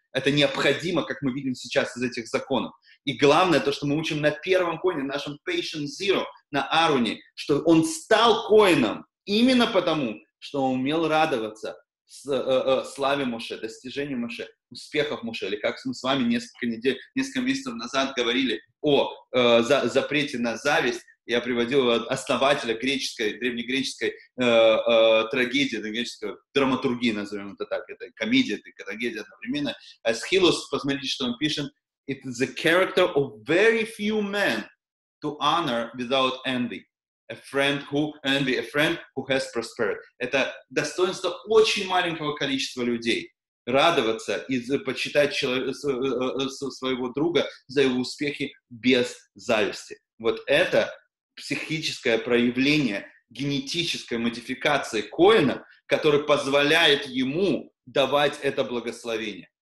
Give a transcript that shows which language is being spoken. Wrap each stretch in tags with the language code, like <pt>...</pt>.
<ru>Это необходимо, как мы видим сейчас из этих законов. И главное, то, что мы учим на первом коэне, нашем</ru> <en>Patient Zero,</en> <ru>на Аруне, что он стал коэном именно потому, что он умел радоваться славе Моше, достижению Моше, успехов Моше, или как мы с вами несколько недель, несколько месяцев назад говорили о запрете на зависть, я приводил основателя греческой, древнегреческой трагедии, древнегреческой драматургии, назовем это так, это комедия, это трагедия одновременно. Эсхилус, посмотрите, что он пишет.</ru> <en>It is the character of very few men to honor without envy. A friend who has prospered.</en> <ru>Это достоинство очень маленького количества людей. Радоваться и почитать своего друга за его успехи без зависти. Вот это психическое проявление генетической модификации Коэна, который позволяет ему давать это благословение.</ru>